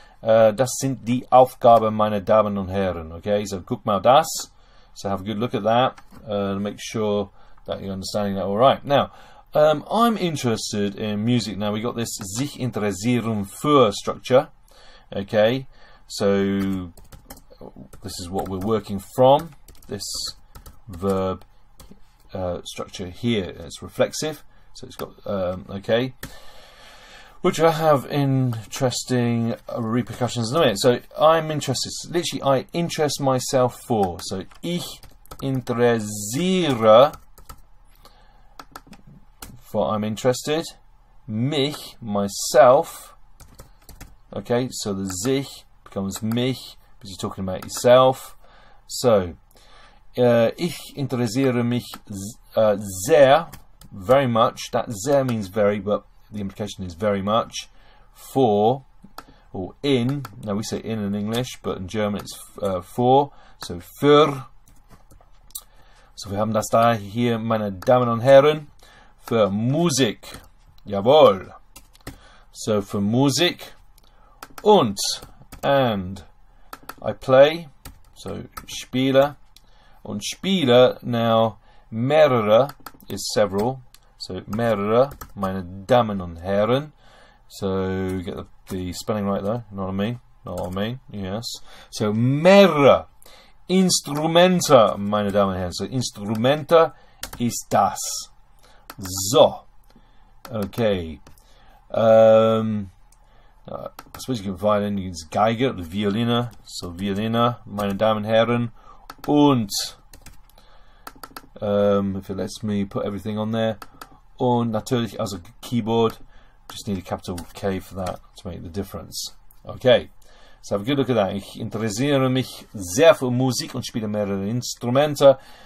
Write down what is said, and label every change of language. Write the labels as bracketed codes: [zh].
[de] Das sind die Aufgaben, meine Damen und Herren. [en] Okay, [de] so, guck mal das. [en] So, have a good look at that. Make sure that you're understanding that all right. Now, I'm interested in music. Now we got this [de] sich interessieren für [en] structure. Okay, so this is what we're working from. This verb structure here. It's reflexive, so it's got okay. Which I have interesting repercussions in a minute. So I'm interested. Literally, I interest myself for. [de] So ich interessiere. [en] Well, I'm interested, mich, myself. Okay, so the sich becomes mich because you're talking about yourself. [de] So, ich interessiere mich sehr, [en] very much. That sehr means very, but the implication is very much for or in. Now we say in English, but in German it's for. [de] So für. So wir haben das da hier, meine Damen und Herren. [en] For music, [de] jawohl. [en] So for music, and I play. [de] So spiele, und spiele [en] now [de] Mehrere [en] is several. [de] So mehrere, meine Damen und Herren. [en] So get the spelling right there. Know what I mean? Know what I mean? Yes. [de] So mehrere. Instrumente, meine Damen und Herren. So Instrumente ist das. So. Okay. [en] I suppose you can violin, you can use Geiger, the Violine. [de] So Violine, meine Damen und Herren. [en] Und if it lets me put everything on there. [de] Und natürlich [en] as a keyboard. Just need a capital K for that to make the difference. Okay. So have a good look at that. [de] Ich interessiere mich sehr für Musik und spiele mehrere Instrumente.